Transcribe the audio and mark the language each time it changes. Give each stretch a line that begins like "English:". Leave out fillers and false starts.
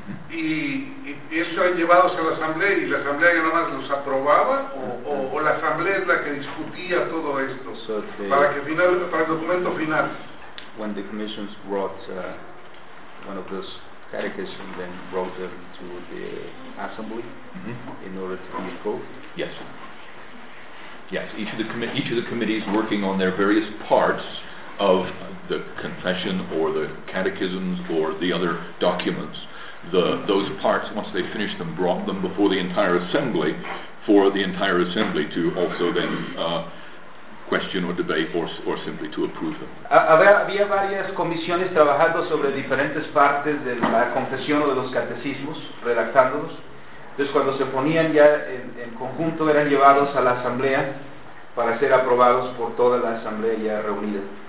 Spanish: Y eso han llevados a la asamblea y la asamblea ya nada más los aprobaba o la asamblea es la que discutía todo esto para el documento final.
English: When the commissions brought one of those catechism then brought them to the assembly in order to be approved? Yes. Yes, each of the committees working on their various parts of the confession or the catechisms or the other documents, those parts, once they finished them, brought them before the entire assembly for the entire assembly to also then question or debate or simply to approve them.
Spanish: Había varias comisiones trabajando sobre diferentes partes de la confesión o de los catecismos, redactándolos. Entonces cuando se ponían ya en conjunto eran llevados a la asamblea para ser aprobados por toda la asamblea ya reunida.